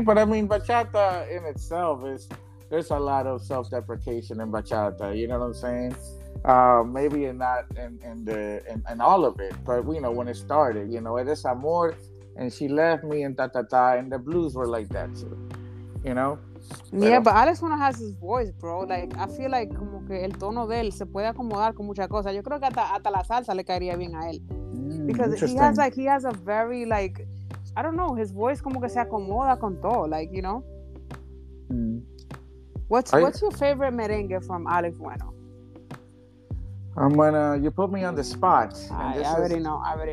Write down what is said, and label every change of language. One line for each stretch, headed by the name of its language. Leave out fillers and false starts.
English: But I mean, bachata in itself is, there's a lot of self-deprecation in bachata, you know what I'm saying? Maybe in that, in all of it, but you know, when it started, you know, it is amor, and she left me, and ta-ta-ta, and the blues were like that too, you know? Yeah, but Alex Bueno has his voice, bro. Like, I feel like
Spanish: como que el tono de él se puede acomodar con muchas cosas. Yo creo que hasta la salsa le caería bien a él.
English: Because he has a very, like, I don't know, his voice
Spanish: como que se acomoda con todo,
English: like, you know? What's your favorite merengue from Alex Bueno? You put me on the spot. I already know.